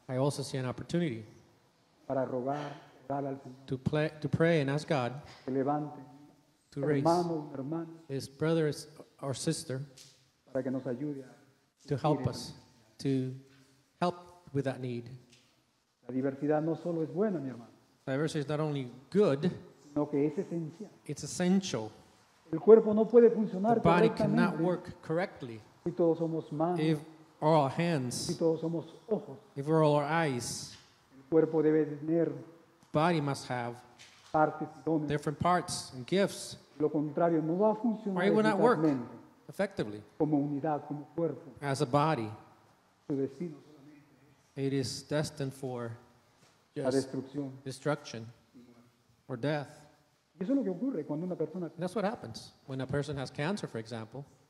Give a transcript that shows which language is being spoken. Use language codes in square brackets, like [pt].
[en] I also see an opportunity [es] para rogar, orar al Señor, [en] to pray and ask God [es] que levante, [en] to raise [es] hermano, hermano, [en] his brother or sister [es] para que nos ayude a [en] to help us, to help with that need. [es] La diversidad no solo es buena, mi hermano. [en] Diversity is not only good, [es] sino que es esencial. [en] It's essential. [es] El cuerpo no puede funcionar [en] the body cannot work correctly [es] si todos somos manos. [en] If are all hands, [es] si todos somos ojos, [en] if we're all our eyes, [es] el cuerpo debe tener, [en] body must have [es] partes, dones, [en] different parts and gifts, [es] lo contrario, no va a funcionar, [en] or it will not work effectively [es] como unidad, como cuerpo, [en] as a body. [es] Su destino solamente, [en] it is destined for [es] just destrucción, [en] destruction or death. [es] Y eso es lo que ocurre cuando una persona, [en] that's what happens when a person has cancer, for example.